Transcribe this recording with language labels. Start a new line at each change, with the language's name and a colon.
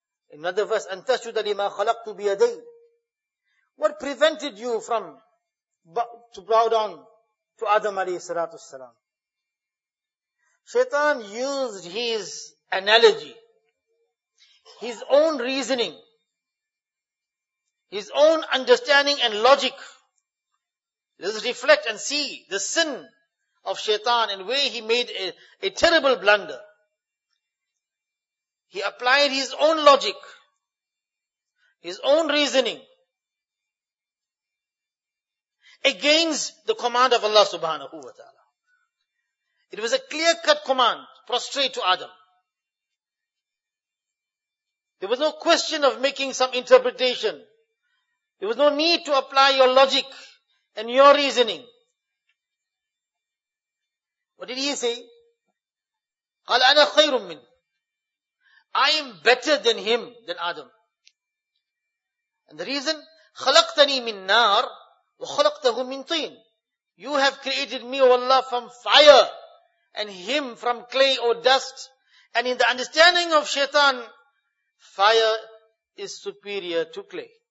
English: In another verse,
Arabic: أَنْ تَسْجُدَ لِمَا خَلَقْتُ بِيَدَيْ.
English: What prevented you from to bow down to Adam alayhi salatu salam? Shaitan used his analogy, his own reasoning, his own understanding and logic. Let's reflect and see the sin of Shaitan and where he made a terrible blunder. He applied his own logic, his own reasoning, against the command of Allah subhanahu wa ta'ala. It was a clear-cut command, prostrate to Adam. There was no question of making some interpretation. There was no need to apply your logic and your reasoning. What did he say?
Arabic: قال أنا خير من.
English: I am better than him, than Adam. And the reason,
Arabic: خلقتني من نار وخلقته من طين.
English: You have created me, O Allah, from fire and him from clay or dust. And in the understanding of shaitan, fire is superior to clay.